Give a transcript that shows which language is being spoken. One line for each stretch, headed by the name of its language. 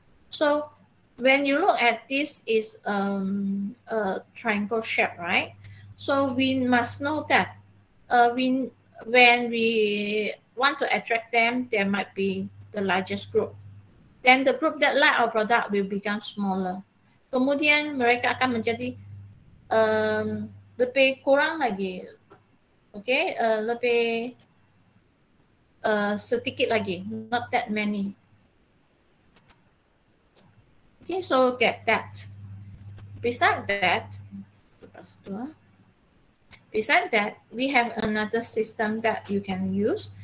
English: So when you look at this is a triangle shape, right? So we must know that we when we want to attract them, there might be the largest group. Then the group that like our product will become smaller.
Malay: Kemudian mereka akan menjadi lebih kurang lagi, okay, lebih sedikit lagi,
English: not that many. Okay, so get that. Besides that, we have another system that you can use.